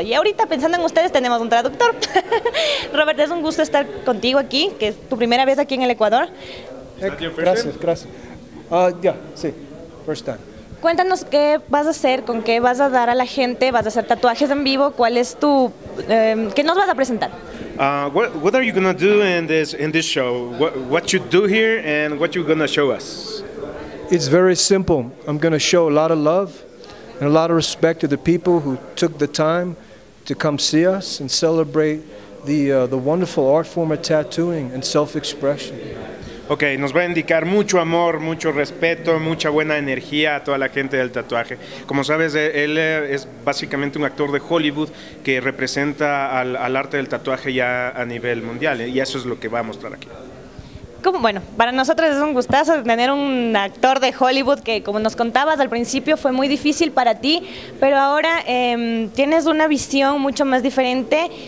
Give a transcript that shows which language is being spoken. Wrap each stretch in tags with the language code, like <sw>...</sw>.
<es>Y ahorita, pensando en ustedes, tenemos un traductor. Robert, es un gusto estar contigo aquí, que es tu primera vez aquí en el Ecuador. Gracias, gracias. Sí,</es> <en>first time.</en> <es>Cuéntanos qué vas a hacer, con qué vas a dar a la gente, vas a hacer tatuajes en vivo, ¿cuál es tu, qué nos vas a presentar?</es> <en>What are you gonna do in this show? What you do here and what you gonna show us? It's very simple. I'm gonna show a lot of love and a lot of respect to the people who took the time to come see us and celebrate the wonderful art form of tattooing and self-expression.</en> <es>Okay, nos va a indicar mucho amor, mucho respeto, mucha buena energía a toda la gente del tatuaje. Como sabes, él es básicamente un actor de Hollywood que representa al arte del tatuaje ya a nivel mundial, y eso es lo que va a mostrar aquí. Como, bueno, para nosotros es un gustazo tener un actor de Hollywood que, como nos contabas al principio, fue muy difícil para ti, pero ahora tienes una visión mucho más diferente.</es>